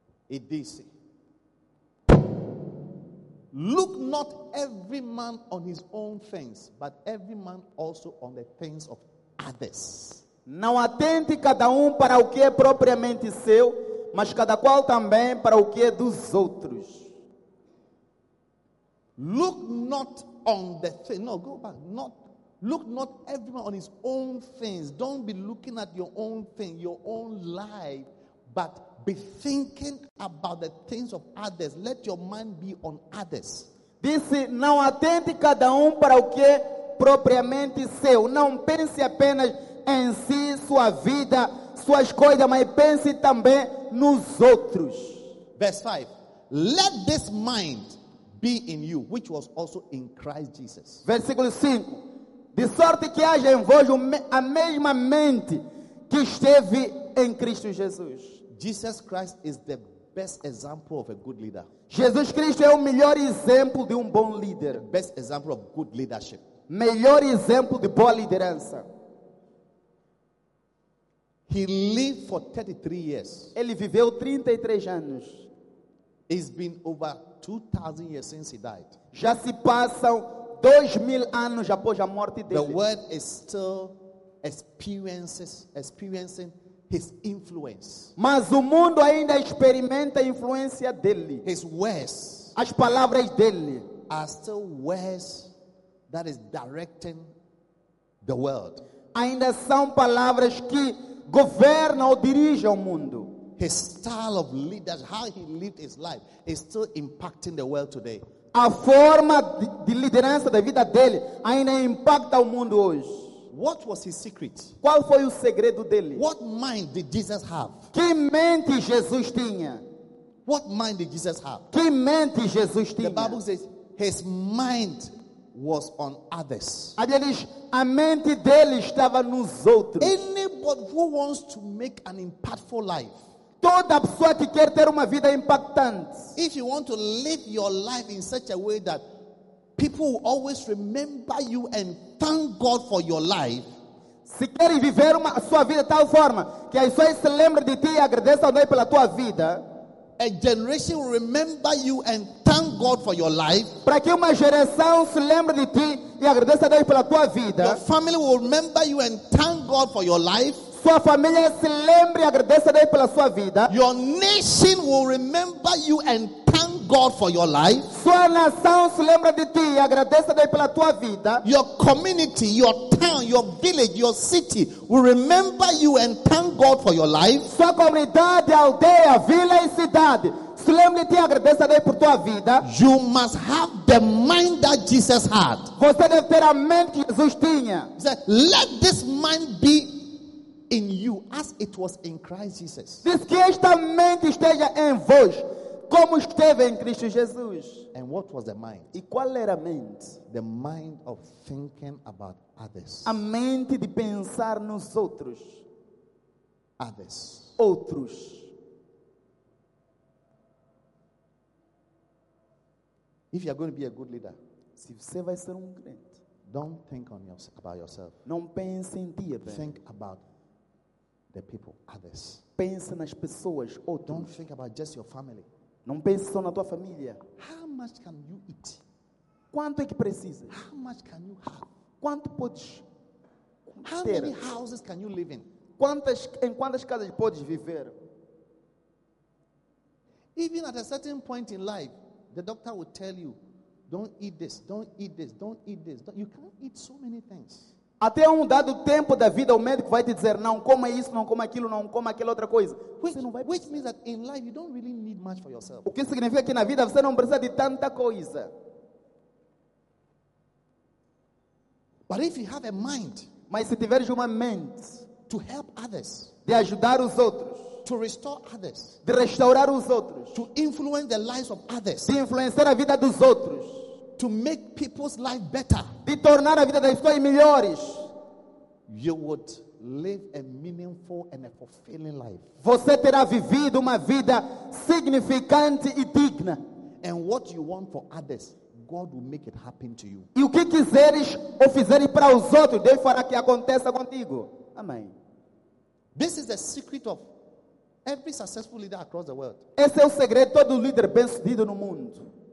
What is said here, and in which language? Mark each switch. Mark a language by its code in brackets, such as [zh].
[en] It says, look not every man on his own things, but every man also on the things of others. [pt] Não atente cada para o que é propriamente seu, mas cada qual também para o que é dos outros. [en] Look not on the thing. No, go back. Not. Look not everyone on his own things. Don't be looking at your own thing, your own life, but be thinking about the things of others. Let your mind be on others. [pt] Disse, não atente cada para o que é propriamente seu. Não pense apenas em si, sua vida, suas coisas, mas pense também nos outros. [en] Verse 5. Let this mind be in you, which was also in Christ Jesus. [pt] Versículo 5. De sorte que haja em vós a mesma mente que esteve em Cristo Jesus. [en] Jesus Christ is the best example of a good leader. [pt] Jesus Cristo é o melhor exemplo de bom líder. [en] The best example of good leadership. [pt] Melhor exemplo de boa liderança. [en] He lived for 33 years. [pt] Ele viveu 33 anos. [en] It's been over 2,000 years since he died. [pt] Já se passam 2,000 anos após a morte dele. [en] The world is still experiencing his influence. [pt] Mas o mundo ainda experimenta a influência dele. [en] His words. [pt] As palavras dele. [en] Are still words that is directing the world. [pt] Ainda são palavras que governam ou dirigem o mundo. [en] His style of leadership, how he lived his life, is still impacting the world today. [pt] A forma de liderança da vida dele ainda impacta o mundo hoje. [en] What was his secret? [pt] Qual foi o segredo dele? [en] What mind did Jesus have? [pt] Que mente Jesus tinha? [en] What mind did Jesus have? [pt] Que mente Jesus tinha? [en] The Bible says his mind was on others. [pt] A mente dele estava nos outros. [en] Anybody who wants to make an impactful life. [pt] Toda pessoa que quer ter uma vida impactante. [en] If you want to live your life in such a way that people will always remember you and thank God for your life. [pt] Se quer viver uma sua vida de tal forma que as pessoas se lembrem de ti e agradeçam a Deus pela tua vida. [en] A generation will remember you and thank God for your life. [pt] Para que uma geração se lembre de ti e agradeça a Deus pela tua vida. [en] Your family will remember you and thank God for your life. [pt] Sua família se lembre e agradeça a Deus pela sua vida. [en] Your nation will remember you and thank God for your life. [pt] Sua nação se lembra de ti e agradeça a Deus pela tua vida. [en] Your community, your town, your village, your city will remember you and thank God for your life. [pt] Sua comunidade, aldeia, vila e cidade se lembra de ti e agradeça a Deus por tua vida. [en] You must have the mind that Jesus had. [pt] Você deve ter a mente que Jesus tinha. [en] He said, let this mind be in you as it was in Christ Jesus. [pt] Diz que esta mente esteja em vós, como esteve em Cristo Jesus. [en] And what was the mind? [pt] E qual era a mente? [en] The mind of thinking about others. [pt] A mente de pensar nos outros. [en] Others. [pt] Outros. [en] If you are going to be a good leader, [pt] se você vai ser grande, [en] don't think on yourself, about yourself. [pt] Não pense em ti. [en] Think about the people, others. [pt] Pense nas pessoas, ou [en] don't think about just your family. [pt] Não pense só na tua família. [en] How much can you eat? [pt] Quanto é que precisa? [en] How much can you have? [pt] Quanto podes? [en] How [pt] ter? [en] Many houses can you live in? [pt] Quantas, em quantas casas podes viver? [en] Even at a certain point in life, the doctor will tell you, don't eat this, don't eat this, don't eat this. Don't, you can't eat so many things. [pt] Até um dado tempo da vida, o médico vai te dizer, não coma isso, não coma aquilo, não coma aquela outra coisa. [en] Which means that in life you don't really need much for yourself. [pt] O que significa que na vida você não precisa de tanta coisa. [en] But if you have a mind, [pt] mas se tiveres uma mente, [en] to help others, [pt] de ajudar os outros, [en] to restore others, [pt] de restaurar os outros, [en] to influence the lives of others, [pt] de influenciar a vida dos outros, [en] to make people's life better, [pt] de tornar a vida das pessoas melhores, [en] you would live a meaningful and a fulfilling life. [pt] Você terá vivido uma vida significante e digna. [en] And what you want for others, God will make it happen to you. [pt] E o que quiseres ou fizeres para os outros, Deus fará que aconteça contigo. Amém. [en] This is the secret of every successful leader across the world. [pt] Esse é o segredo de todo líder bem sucedido no mundo.